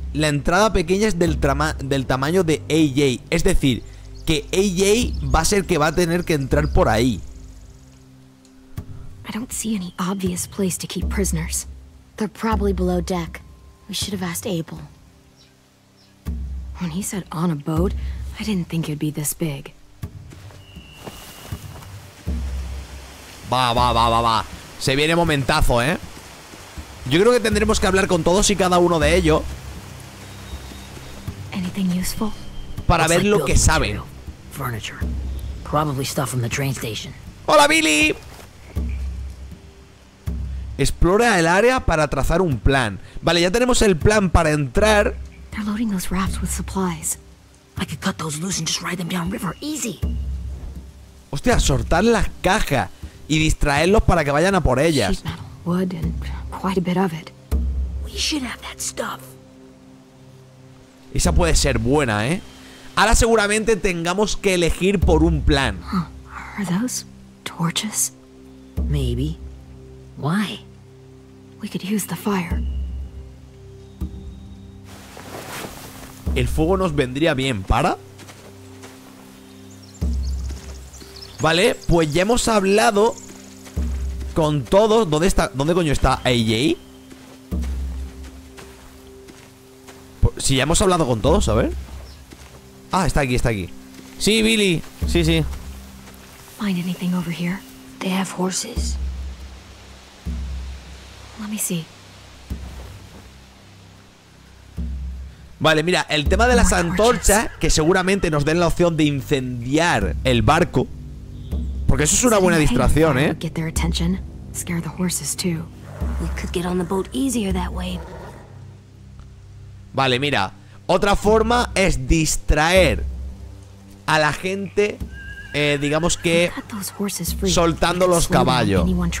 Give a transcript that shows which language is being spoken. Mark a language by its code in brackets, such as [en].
[es] La entrada pequeña es del tamaño de AJ. Es decir, que AJ va a ser que va a tener que entrar por ahí. [en] I don't see any obvious place to keep prisoners. They're probably below deck. We should have asked Abel. When he said on a boat, I didn't think it'd be this big. [es] Va, va, va, va, va. Se viene momentazo, ¿eh? Yo creo que tendremos que hablar con todos y cada uno de ellos. [en] Anything useful? [es] Para ver lo que saben. [en] Furniture. Probably stuff from the train station. [es] Hola, Billy. Explora el área para trazar un plan. Vale, ya tenemos el plan para entrar. [en] They're loading those rafts with supplies. I could cut those loose and just ride them down river. Easy. [es] Hostia, soltar las cajas y distraerlos para que vayan a por ellas. [en] Sheet metal, wood, and quite a bit of it. We should have that stuff. [es] Esa puede ser buena, ¿eh? Ahora seguramente tengamos que elegir por un plan. [en] Are those torches? Maybe. Why? We could use the fire. [es] El fuego nos vendría bien, ¿para? Vale, pues ya hemos hablado con todos. ¿Dónde está? ¿Dónde coño está AJ? Si ya hemos hablado con todos, a ver. Ah, está aquí, está aquí. Sí, Billy. Sí, sí. [en] Find anything over here? They have horses. Let me see. [es] Vale, mira, el tema de las antorchas, que seguramente nos den la opción de incendiar el barco, porque eso es una buena distracción, ¿eh? [en] Get their attention. Scare the horses too. We could get on the boat easier that way. [es] Vale, mira. Otra forma es distraer a la gente, digamos que soltando los caballos.